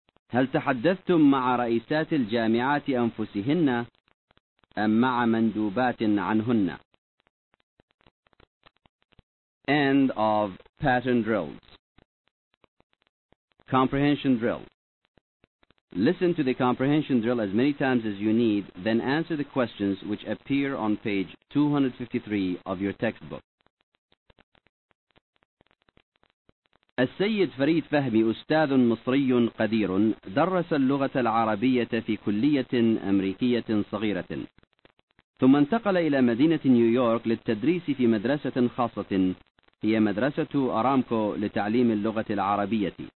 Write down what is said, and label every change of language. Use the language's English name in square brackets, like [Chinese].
[Arabic] هل تحدثتم مع رئيسات الجامعات أنفسهن أم مع مندوبات عنهن؟ [English] End of pattern drills. Comprehension drill. Listen to the comprehension drill as many times as you need, then answer the questions which appear on page 253 of your textbook. [Arabic] السيد فريد فهمي أستاذ مصري قدير درس اللغة العربية في كلية أمريكية صغيرة ثم انتقل إلى مدينة نيويورك للتدريس في مدرسة خاصة هي مدرسة أرامكو لتعليم اللغة العربية.